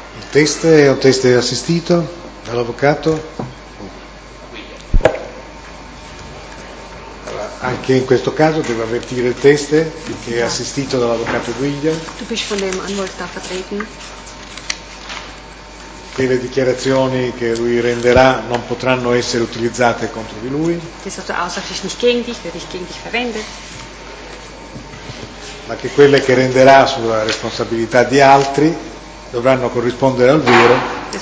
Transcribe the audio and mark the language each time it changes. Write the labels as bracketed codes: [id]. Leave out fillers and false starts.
[it] Test, è un test assistito dall'avvocato. Allora, anche in questo caso devo avvertire il test che è assistito dall'avvocato Guiglia. [de] Tu bist von dem Anwalt vertreten. [it] Che le dichiarazioni che lui renderà non potranno essere utilizzate contro di lui. Questa tua [de] Aussage ist nicht gegen dich, werde ich gegen dich verwenden. [it] Ma che quelle che renderà sulla responsabilità di altri dovranno corrispondere al vero.